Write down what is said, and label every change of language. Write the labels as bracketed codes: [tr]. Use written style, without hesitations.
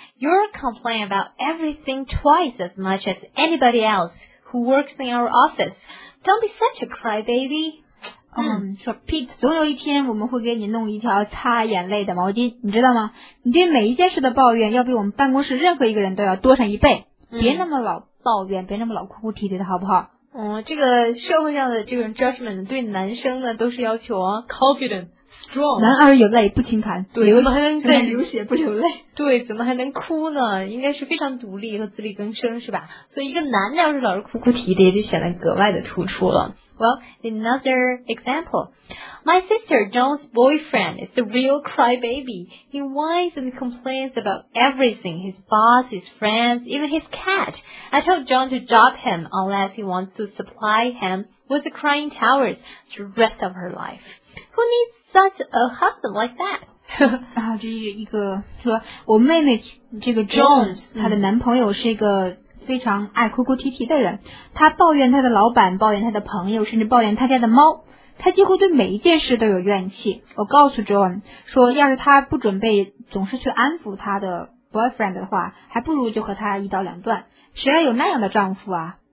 [en] You're complaining about everything twice as much as anybody else who works in our office. Don't be such a crybaby. [zh] 说 Pete， 总有一天我们会给你弄一条擦眼泪的毛巾，你知道吗？你对每一件事的抱怨要比我们办公室任何一个人都要多上一倍、嗯、别那么老抱怨，别那么老哭哭啼啼的好不好。这个社会上的这种 judgment 对男生呢都是要求 [en] confident strong， [zh] 男儿有泪不轻弹，对，怎么还能在流血不流泪，对，怎么还能哭呢，应该是非常独立和自力更生，是吧？所以一个男的要是老是哭哭啼啼就显得格外的突出了。 [en] Well, another example. My sister John's boyfriend is a real crybaby. He whines and complains about everything, his boss, his friends, even his cat. I told John to drop him unless he wants to supply him with the crying towers the rest of her life. Who needs such a husband like that? [zh] 然后这是一个说我妹妹这个 Jones 她的男朋友是一个非常爱哭哭啼啼的人，他抱怨他的老板，抱怨他的朋友，甚至抱怨他家的猫，他几乎对每一件事都有怨气。我告诉 John 说要是他不准备总是去安抚他的 boyfriend 的话，还不如就和他一刀两断，谁要有那样的丈夫啊。